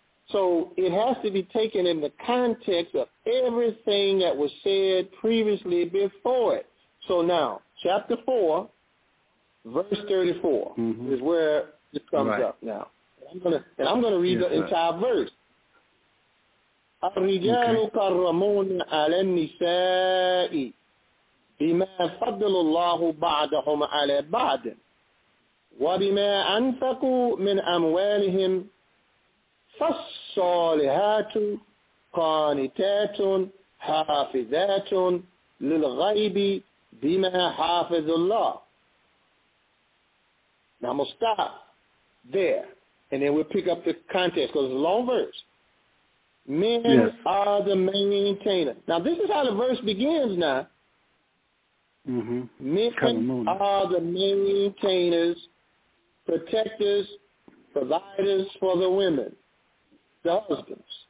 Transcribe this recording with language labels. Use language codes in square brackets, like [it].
[en] So it has to be taken in the context of everything that was said previously before it. So now, chapter 4, verse 34 mm-hmm. is where it comes right. up now. And I'm going to read the entire verse. [ar] الرجال كرمون على النساء بما فضل الله بعضهم على بعض وبما أنفقوا من أموالهم فالصالحات قانتات حافظات للغيب بما حافظ الله. [en] Now we'll stop there and then we'll pick up the context because it's a long verse. Men yes. are the maintainer. Now, this is how the verse begins now. Mm-hmm. Men are the maintainers, protectors, providers for the women, the husbands.